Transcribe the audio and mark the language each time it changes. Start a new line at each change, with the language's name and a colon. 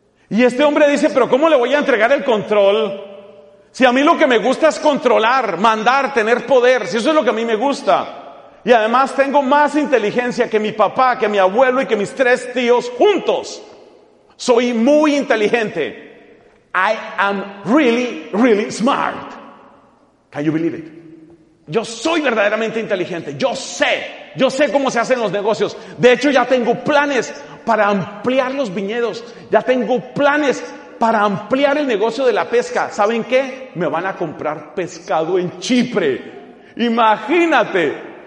Spanish: Y este hombre dice, ¿pero cómo le voy a entregar el control? Si a mí lo que me gusta es controlar, mandar, tener poder, si eso es lo que a mí me gusta. Y además tengo más inteligencia que mi papá, que mi abuelo y que mis 3 tíos juntos. Soy muy inteligente.
English: I am really, really smart. Can you believe it?
Spanish: Yo soy verdaderamente inteligente. Yo sé cómo se hacen los negocios. De hecho, ya tengo planes para ampliar los viñedos. Ya tengo planes para ampliar el negocio de la pesca. ¿Saben qué? Me van a comprar pescado en Chipre. Imagínate.